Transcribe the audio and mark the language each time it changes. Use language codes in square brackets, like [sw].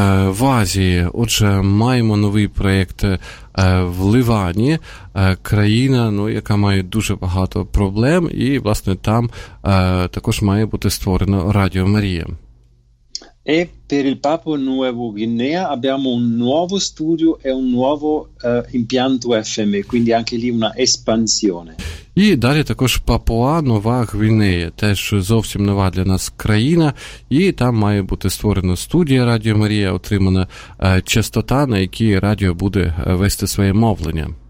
[uk] В Азії, отже, маємо новий проєкт в Ливані, країна, ну, яка має дуже багато проблем, і, власне, там також має бути створено Радіо Марія. [it] E per il Papua Nuova Guinea abbiamo un nuovo studio e un nuovo impianto FM, quindi anche lì una espansione. [uk] І далі також Папуа Нова Гвінея, теж зовсім нова для нас країна, і там має бути створена студія Радіо Марія, отримана частота, на якій радіо буде вести своє мовлення.